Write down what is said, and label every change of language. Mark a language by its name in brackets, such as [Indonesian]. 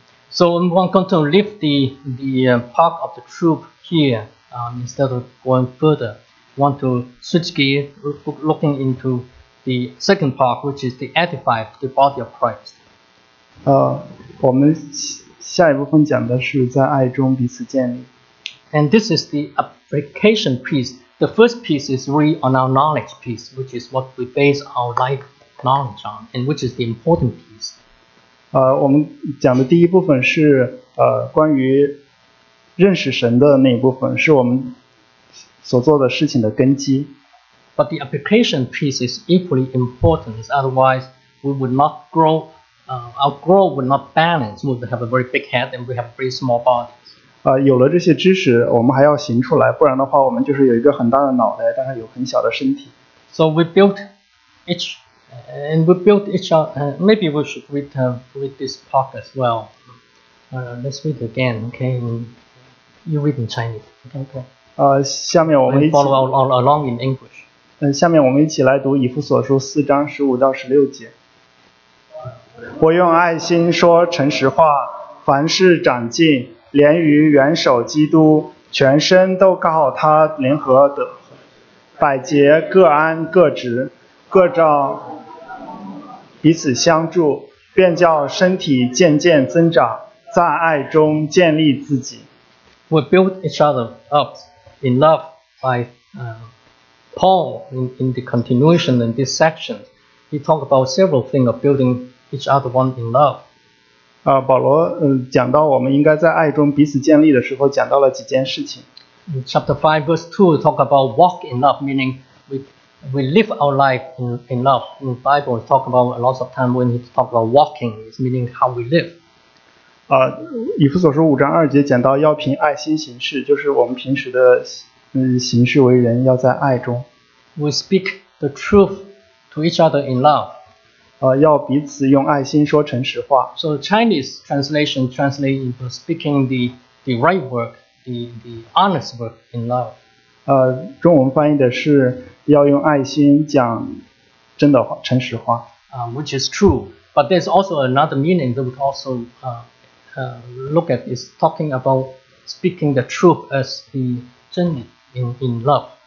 [English] So I'm going to leave the part of the truth here, instead of going further. I want to switch gears, looking into the second part, which is the edify the body of Christ. [Chinese] 我们下一部分讲的是在爱中彼此建立。 [English] And this is the application piece. The first piece is really on our knowledge piece, which is what we base our life knowledge on, and which is the important piece. [Chinese] 我们讲的第一部分是关于认识神的那一部分，是我们所做的事情的根基。 [English] But the application piece is equally important, otherwise we would not grow, our growth would not balance, we would have a very big head and we have very small bodies. [Chinese] 有了这些知识，我们还要行出来，不然的话我们就是有一个很大的脑袋，但是有很小的身体。 [English] So we built maybe we should read this part as well. Let's read again, okay? You read in Chinese, okay? [Chinese] 下面我们一起 [English] follow along in English. [Chinese] 下面我们一起来读以弗所书四章十五到十六节。我用爱心说诚实话，凡事长进，连于元首基督，全身都靠他联合的百节各安各职，各照彼此相助，便叫身体渐渐增长，在爱中建立自己。 [English] We build each other up in love by Paul in the continuation in this section. He talked about several things of building each other one in love. [Chinese] 保罗讲到我们应该在爱中彼此建立的时候讲到了几件事情。 [English] In chapter 5 verse 2 talk about walk in love, meaning we live our life in love. In the Bible we talk about a lot of time when he talk about walking, meaning how we live. [Chinese] 以弗所书五章二节讲到要凭爱心行事，就是我们平时的行事为人要在爱中。 [English] We speak the truth to each other in love. [Chinese] 要彼此用爱心说诚实话。 [English] So the Chinese translation translates into speaking the right word, the honest word in love. [Chinese] 中文翻译的是要用爱心讲真的话，诚实话。 [English] Which is true, but there's also another meaning that would also look at is talking about speaking the truth as the 真理 in love.